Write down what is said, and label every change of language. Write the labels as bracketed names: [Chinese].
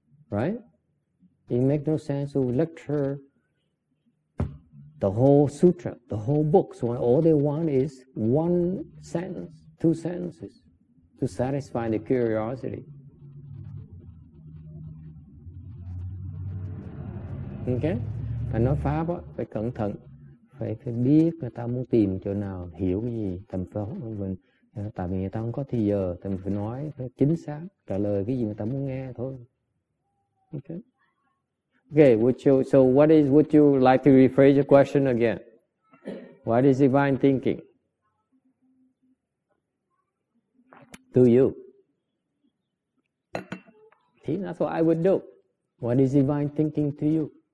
[English] Right? It makes no sense to lecture the whole sutra, the whole book, when all they want is one sentence, two sentences, to satisfy the curiosity. [Vietnamese] Ok, phải nói pháp á, phải cẩn thận, phải biết người ta muốn tìm chỗ nào, hiểu cái gì, tầm phó, mình, tại vì người ta không có thì giờ, thì mình phải nói phải chính xác, trả lời cái gì người ta muốn nghe thôi. [English] Ok, okay, would you, so what would you like to rephrase your question again? What is divine thinking? To you. See, that's what I would do. What is divine thinking to you?